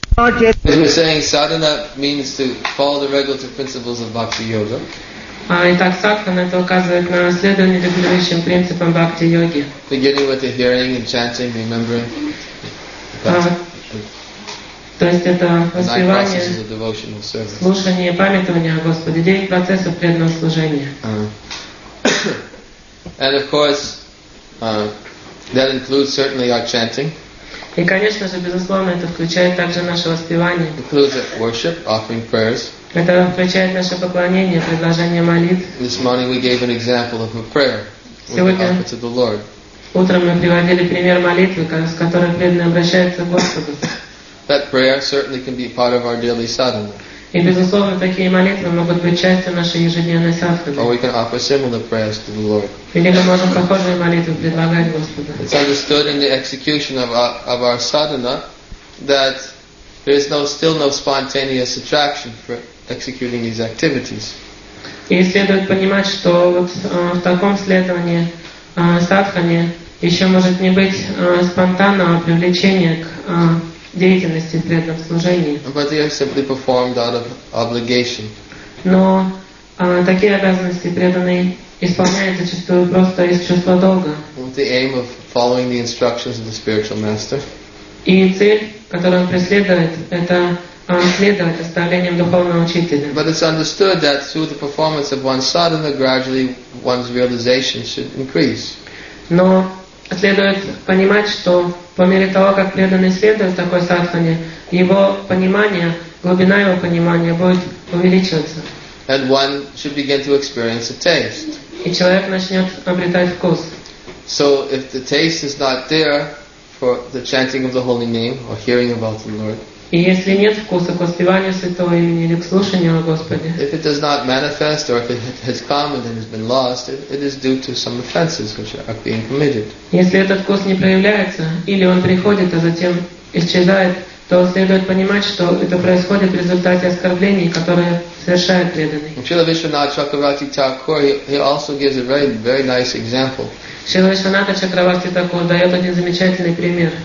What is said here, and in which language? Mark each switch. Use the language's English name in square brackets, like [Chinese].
[English] As we're saying, sadhana means to follow the regulative principles of bhakti yoga. [Russian] Итак, садхана это указывает на следование регулирующим принципам бхакти йоги. [English] Beginning with the hearing and chanting, remembering. [Russian] То есть это воспевание, слушание, памятование о Господе, 9 процессов преданного служения. [English] And of course, that includes certainly our chanting. [Russian] И конечно же, безусловно, это включает также наше воспевание. [English] Includes worship, offering prayers. [Russian] Это включает наше поклонение, предложение молитв. [English] This morning we gave an example of a prayer with the offer to the Lord. [Russian] Утром мы приводили пример молитвы, с которой преданный обращается к Господу. [English] That prayer certainly can be part of our daily sadhana. [Russian] И безусловно, такие молитвы могут быть частью нашей ежедневной садханы. [English] Or we can offer similar prayers to the Lord. [Russian] Или мы можем похожие молитвы предлагать Господу. [English] It's understood in the execution of our sadhana that there is still no spontaneous attraction for executing these activities. [Russian] И следует понимать, что вот в таком следовании садхане еще может не быть спонтанного привлечения к деятельности преданного служения. [English] But they are simply performed out of obligation. [Russian] Но такие обязанности преданные исполняются зачастую просто из чувства долга. [English] With the aim of following the instructions of the spiritual master. [Russian] И цель, которую он преследует, это следовать наставлениям духовного учителя. [English] But it's understood that through the performance of one's sadhana, gradually one's realization should increase. [Russian] Но следует понимать, что по мере того, как преданный следует такой садхане, его понимание, глубина его понимания будет увеличиваться. [English] And one should begin to experience a taste. [Russian] И человек начнет обретать вкус. [English] So if the taste is not there for the chanting of the holy name or hearing about the Lord. [Russian] И если нет вкуса к воспеванию святого имени или к слушанию о Господе. [English] If it does not manifest or if it has come and then has been lost, it is due to some offenses which are being committed. [Russian] Если этот вкус не проявляется или он приходит, а затем исчезает, то следует понимать, что это происходит в результате оскорблений, которые совершают преданные. [English] Шрила Вишванатха Чакраварти Тхакур, he also gives a very, very nice example. [Russian] Шрила Вишванатха Чакраварти Тхакур дает один замечательный пример.